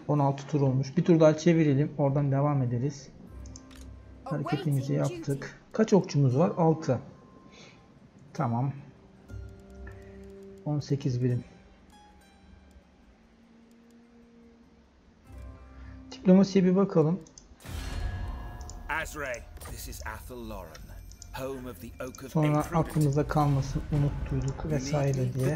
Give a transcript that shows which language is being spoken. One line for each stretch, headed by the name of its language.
Turkish: 16 tur olmuş. Bir tur daha çevirelim. Oradan devam ederiz. Hareketimizi yaptık. Kaç okçumuz var? 6. Tamam. 18 birim. Diplomasiye bir bakalım.
English: Azray, this is Athaloran, home of the Oak of.
Turkish: Sonra aklımızda kalmasın, unuttuyduk vesaire diye.